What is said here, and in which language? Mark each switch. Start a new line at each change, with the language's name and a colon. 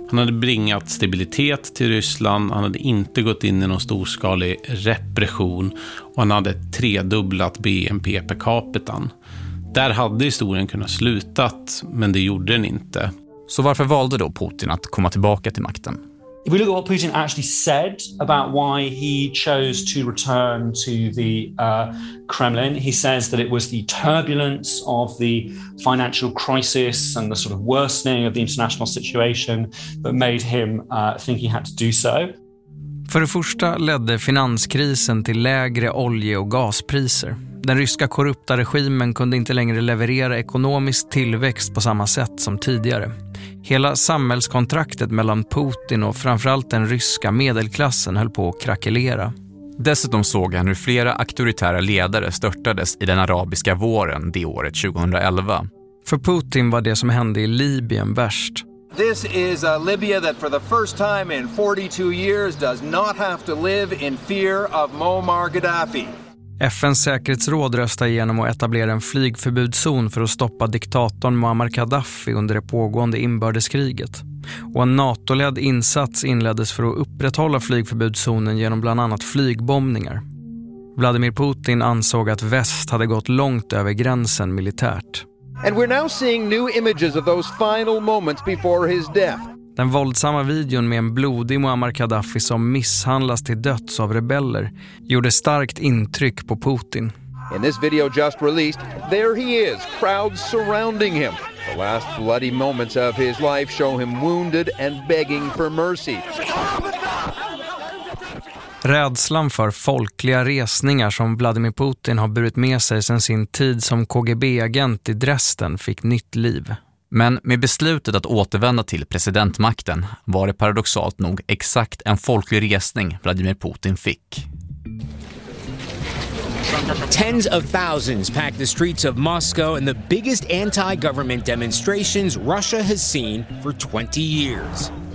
Swedish: Han hade bringat stabilitet till Ryssland, han hade inte gått in i någon storskalig repression och han hade tredubblat BNP per capita. Där hade historien kunnat slutat, men det gjorde den inte. Så varför valde då Putin att komma tillbaka till makten?
English: If we look at what Putin actually said about why he chose to return to the Kremlin, he says that it was the turbulence of the financial crisis and the sort of worsening of the international situation that made him think he had to do so.
Swedish: För det första ledde finanskrisen till lägre olje- och gaspriser. Den ryska korrupta regimen kunde inte längre leverera ekonomisk tillväxt på samma sätt som tidigare. Hela samhällskontraktet mellan Putin och framförallt den ryska medelklassen höll på att krackelera. Dessutom såg han hur flera auktoritära ledare störtades i den arabiska våren det året 2011. För Putin var det som hände i Libyen värst.
English: This is a Libya that for the first time in 42 years does not have to live in fear of Muammar Gaddafi.
Swedish: FNs säkerhetsråd röstade igenom att etablera en flygförbudszon för att stoppa diktatorn Muammar Gaddafi under det pågående inbördeskriget. Och en NATO-ledd insats inleddes för att upprätthålla flygförbudszonen genom bland annat flygbombningar. Vladimir Putin ansåg att väst hade gått långt över gränsen militärt.
English: And we're now seeing new images of those final moments before his death.
Swedish: Den våldsamma videon med en blodig Muammar Gaddafi som misshandlas till döds av rebeller gjorde starkt intryck på Putin.
English: In this video just released, there he is, crowds surrounding him. The last bloody moments of his life show him wounded and begging for mercy.
Swedish: Rädslan för folkliga resningar som Vladimir Putin har burit med sig sedan sin tid som KGB-agent i Dresden fick nytt liv. Men med beslutet att återvända till presidentmakten var det paradoxalt nog exakt en folklig resning Vladimir Putin fick.
English: Tens of thousands packed the streets of Moscow in the biggest anti-government demonstrations Russia has seen for 20 years.